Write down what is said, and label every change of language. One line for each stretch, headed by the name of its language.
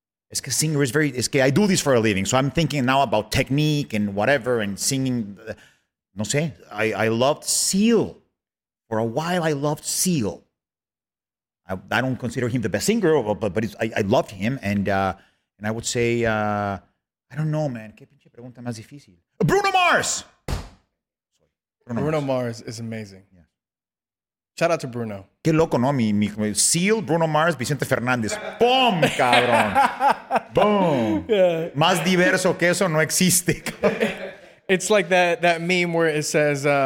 Spanish: Es que
English: singer is very,
Spanish: es que
English: I do this for a living. So I'm thinking now about technique and whatever and singing.
Spanish: No sé,
English: I loved Seal. For a while, I loved Seal. I don't consider him the best singer, but it's, I loved him. And I would say, I don't know, man.
Spanish: ¿Qué pinche pregunta más difícil?
English: Bruno Mars! Bruno Mars is amazing. Yeah. Shout out to Bruno.
Spanish: Qué loco, ¿no? Mi Seal, Bruno Mars, Vicente Fernández. ¡Boom, cabrón! ¡Boom! Yeah. Más diverso que eso no existe.
English: It's like that meme where it says...